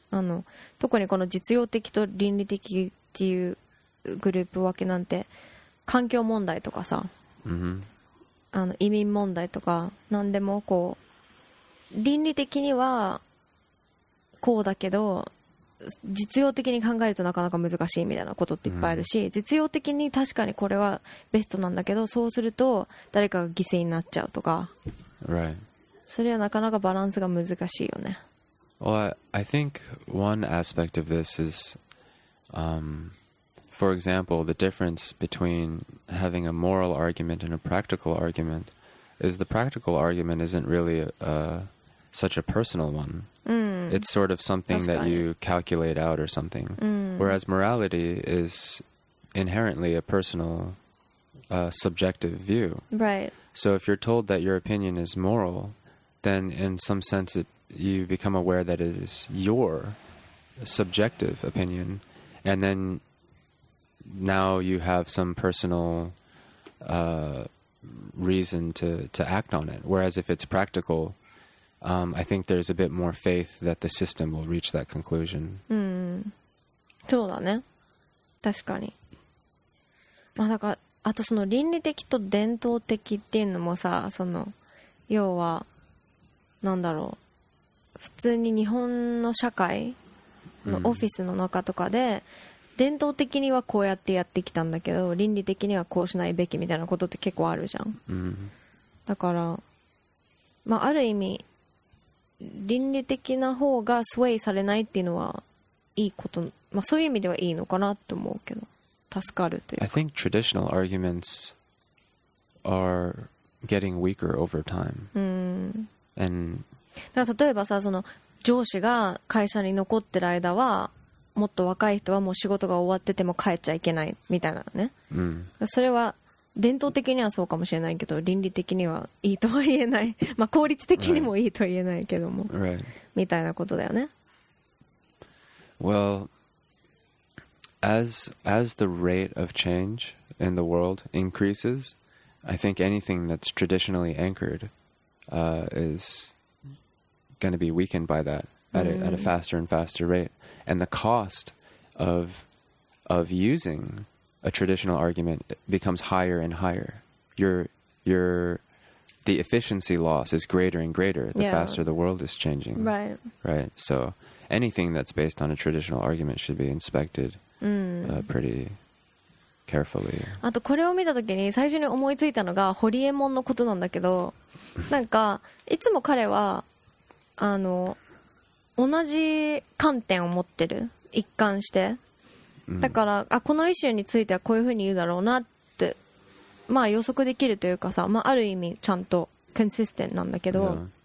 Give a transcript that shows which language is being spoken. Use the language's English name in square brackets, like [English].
[Japanese] あの、特にこの実用的と倫理的っていうグループ分けなんて、環境問題とかさ、あの移民問題とか何でもこう倫理的にはこうだけど実用的に考えるとなかなか難しいみたいなことっていっぱいあるし、実用的に確かにこれはベストなんだけど、そうすると誰かが犠牲になっちゃうとか、 [English] right. [Japanese] それはなかなかバランスが難しいよね。 [English] Well, I think one aspect of this is For example, the difference between having a moral argument and a practical argument is the practical argument isn't really such a personal one. It's sort of something that you calculate out or something. Whereas morality is inherently a personal, subjective view. Right. So if you're told that your opinion is moral, then in some sense it, you become aware that it is your subjective opinion, and then now you have some personal reason to act on it. Whereas if it's practical, I think there's a bit more faith that the system will reach that conclusion. [Japanese] そうだね。確かに。まあ、だからあとその倫理的と伝統的っていうのもさ、その要はなんだろう、普通に日本の社会のオフィスの中とかで、伝統的にはこうやってやってきたんだけど、倫理的にはこうしないべきみたいなことって結構あるじゃん。だから、まあ、ある意味倫理的な方がスウェイされないっていうのはいいこと、まあ、そういう意味ではいいのかなと思うけど、助かるというか。 [English] I think traditional arguments are getting weaker over time. And [Japanese] だから例えばさ、その上司が会社に残ってる間はもっと若い人はもう仕事が終わってても帰っちゃいけないみたいなのね、それは伝統的にはそうかもしれないけど、倫理的にはいいとは言えない、まあ効率的にもいいとは言えないけども、 [English] right. [Japanese] みたいなことだよね。 [English] Well, as the rate of change in the world increases, I think anything that's traditionally anchored is going to be weakened by that at a faster and faster rate. And the cost of using a traditional argument becomes higher and higher. The efficiency loss is greater and greater the faster the world is changing. Right. Right. So anything that's based on a traditional argument should be inspected pretty carefully. [Japanese] あとこれを見た時に最初に思いついたのがホリエモンのことなんだけど、なんかいつも彼はあの同じ観点を持ってる、一貫して、だから、あ、このイシューについてはこういうふうに言うだろうなって、まあ予測できるというかさ、まあ、ある意味ちゃんとコンシステントなんだけど、